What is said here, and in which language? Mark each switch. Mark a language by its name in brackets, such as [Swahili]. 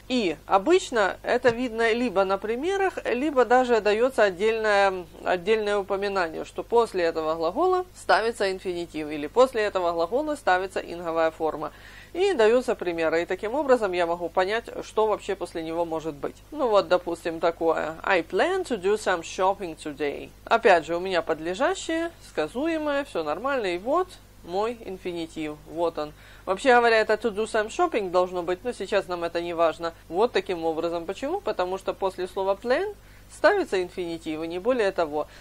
[Russian] И обычно это видно либо на примерах, либо даже дается отдельное упоминание, что после этого глагола ставится инфинитив, или после этого глагола ставится инговая форма. И даются примеры, и таким образом я могу понять, что вообще после него может быть. Ну вот, допустим, такое. [English] I plan to do some shopping today. [Russian] Опять же, у меня подлежащее, сказуемое, все нормально, и вот мой инфинитив, вот он. Вообще говоря, это [English] to do some shopping [Russian] должно быть, но сейчас нам это не важно. Вот таким образом. Почему? Потому что после слова plan ставится инфинитив, и не более того.